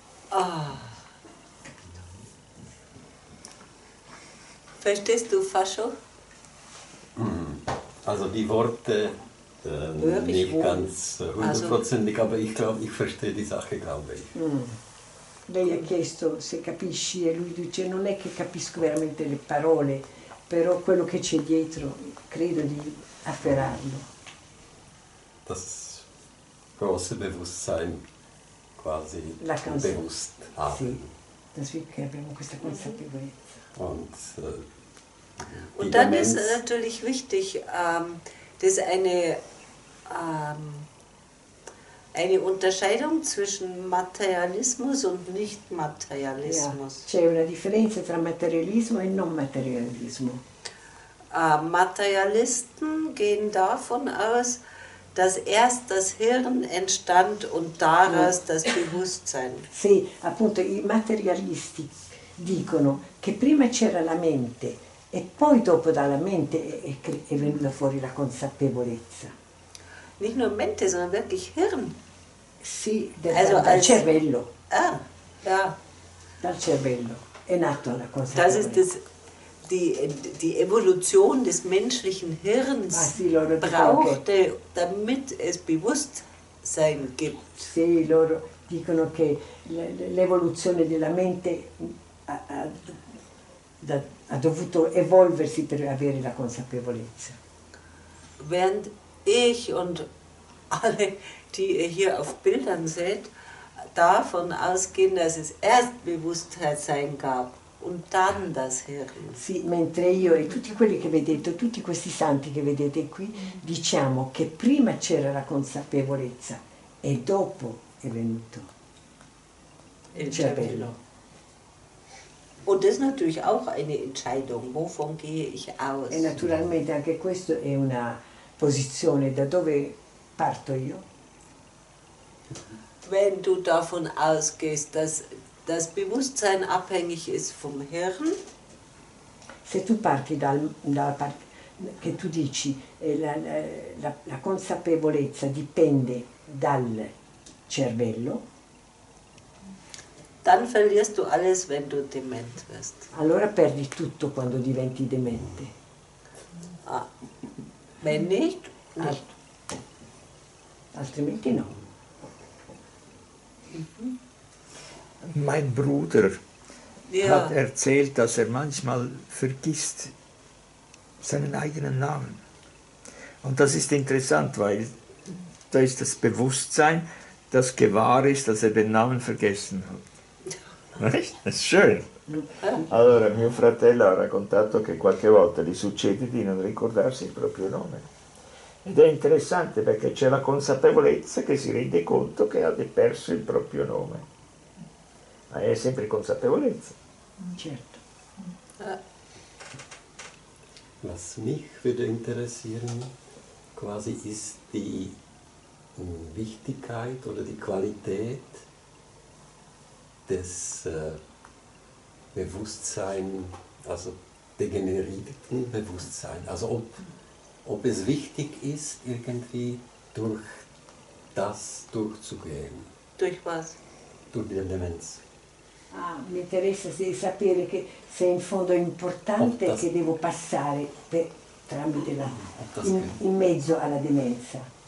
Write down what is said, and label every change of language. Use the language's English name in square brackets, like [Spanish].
[German] Ah. Verstehst du, Fascio? Also die Worte nicht ganz hundertprozentig, also, aber ich glaube, ich verstehe die Sache, glaube ich. [Italian] Lei ha chiesto se capisci e lui dice non è che capisco veramente le parole, però quello che c'è dietro credo di afferrarlo. [German] Das große Bewusstsein quasi bewusst haben. [Italian] Sì, [German] dass wir haben [Italian] questa consapevolezza. [German] Und dann ist es natürlich wichtig, dass eine Unterscheidung zwischen Materialismus und Nicht-Materialismus. [Italian] Ja, c'è una differenza tra materialismo e non materialismo. [German] Materialisten gehen davon aus, dass erst das Hirn entstand und daraus das Bewusstsein. [Italian] Sì, appunto, i materialisti dicono che prima c'era la mente e poi dopo dalla mente è venuta fuori la consapevolezza. [German] Nicht nur mente, sondern wirklich Hirn. [Italian] Sì, dal cervello. [German] Ah, ja. [Italian] Dal cervello è nata la consapevolezza. [German] Das ist die Evolution des menschlichen Hirns brauchte, damit es Bewusstsein gibt. [Italian] Sì, loro dicono che l'evoluzione della mente ha dovuto evolversi per avere la consapevolezza. [German] Während ich und alle, die ihr hier auf Bildern seht, davon ausgehen, dass es erst Bewusstsein gab und dann das Hirn. [Italian] Sì, mentre io e tutti quelli che vedete, tutti questi santi che vedete qui, diciamo che prima c'era la consapevolezza e dopo è venuto il cervello. [German] Und das ist natürlich auch eine Entscheidung, wovon gehe ich aus? [Italian] E naturalmente anche questo è una posizione, da dove parto io? [German] Wenn du davon ausgehst, dass das Bewusstsein abhängig ist vom Hirn, [Italian] se tu parti dalla parte che tu dici, la consapevolezza dipende dal cervello, [German] dann verlierst du alles, wenn du dement wirst. [Italian] Allora perdi tutto quando diventi demente. [German] Ah. Wenn nicht, nicht. [Italian] Altrimenti no. [German] Mein Bruder hat erzählt, dass manchmal vergisst seinen eigenen Namen. Und das ist interessant, weil da ist das Bewusstsein, das gewahr ist, dass den Namen vergessen hat. Es schön. [Italian] Allora, mio fratello ha raccontato che qualche volta gli succede di non ricordarsi il proprio nome. Ed è interessante perché c'è la consapevolezza che si rende conto che ha perso il proprio nome. Ma è sempre consapevolezza. Certo. [German] Was mich würde interessieren, quasi ist die Wichtigkeit oder die Qualität des Bewusstseins, also degenerierten Bewusstsein. Also ob es wichtig ist, irgendwie durch das durchzugehen. Durch was? Durch die Demenz. [Italian] Ah, mi interessa sapere che se in fondo è importante che devo passare tramite la in mezzo alla demenza.